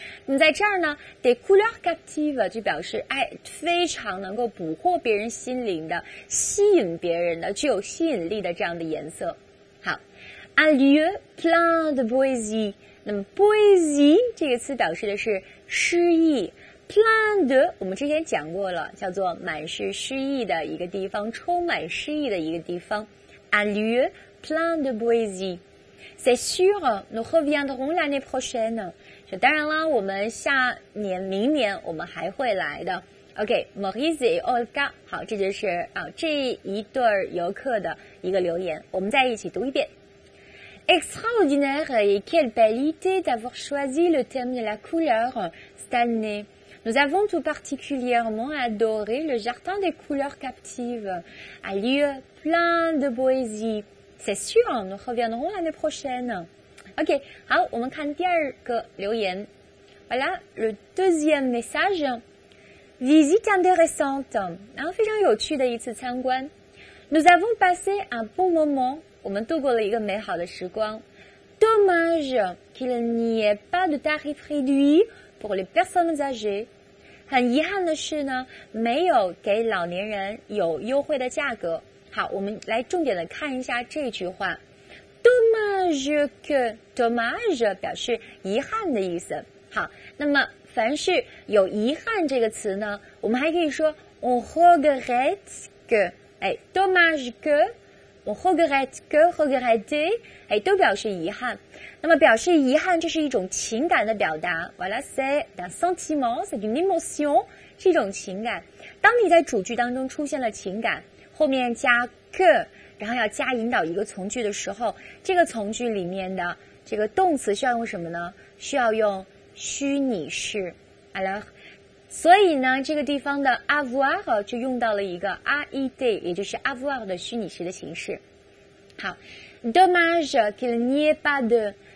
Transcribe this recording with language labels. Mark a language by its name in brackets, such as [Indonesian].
[Chinese] 那么在这儿呢 [French] des couleurs captives [Chinese] 就表示爱非常能够捕获别人心灵的，吸引别人的，具有吸引力的这样的颜色。 [French] Un lieu plein de poésie. [Chinese] 那么 poésie 这个词表示的是诗意。 [French] plein de [Chinese] 我们之前讲过了，叫做满是诗意的一个地方，充满诗意的一个地方。 [French] Un lieu plein de poésie. C'est sûr, nous reviendrons l'année prochaine. [Chinese] 就当然了，我们下年明年我们还会来的。 OK, Maurice et Olga, 好，这就是啊这一对游客的一个留言。我们再一起读一遍。 [French] Extraordinaire et quelle belle idée d'avoir choisi le thème de la couleur cette année. Nous avons tout particulièrement adoré le jardin des couleurs captives, un lieu plein de poésie. C'est sûr, nous reviendrons l'année prochaine. [Chinese] OK, 好，我们看第二个留言。 [French] Voilà, le deuxième message. Visite intéressante, [Chinese] 非常有趣的一次参观。 [French] Nous avons passé un bon moment. [Chinese] 我们度过了一个美好的时光。 [French] Dommage qu'il n'y ait pas de tarif réduit pour les personnes âgées. [Chinese] 很遗憾的是呢，没有给老年人有优惠的价格。好，我们来重点的看一下这句话。 [French] Dommage que, [Chinese] dommage 表示遗憾的意思。好，那么凡是有遗憾这个词呢，我们还可以说 [French] on regrette que, dommage que, [Chinese] 我 regretter 都表示遗憾。那么表示遗憾这是一种情感的表达。 [French] Voilà, c'est un sentiment, c'est une émotion, [Chinese] 是一种情感。当你在主句当中出现了情感，后面加个，然后要加引导一个从句的时候，这个从句里面的这个动词需要用什么呢？需要用虚拟式。 Alors,所以呢这个地方的 avoir 就用到了一个 ied, 也就是 avoir 的虚拟式的形式。好， [French] dommage qu'il n'y ait pas de